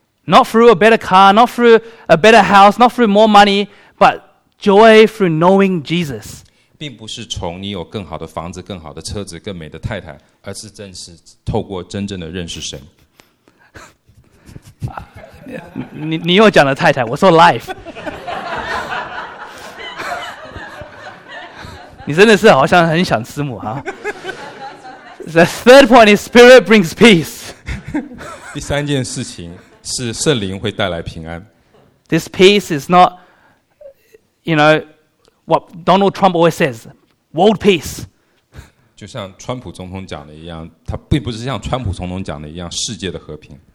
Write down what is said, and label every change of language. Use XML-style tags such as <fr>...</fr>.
<en>Not through a better car, not through a better house, not through more money, but joy through knowing Jesus.</en> <zh>并不是从你有更好的房子、更好的车子、更美的太太，而是正是透过真正的认识神。你又讲了太太，我说 life。你真的是好像很想慈母啊。</zh> <en>The third point is spirit brings peace.</en> <zh>第三件事情是圣灵会带来平安。</zh> <en>This peace is not, you know, what Donald Trump always says, world peace.</en> <zh>就像川普总统讲的一样，他并不是像川普总统讲的一样世界的和平。</zh>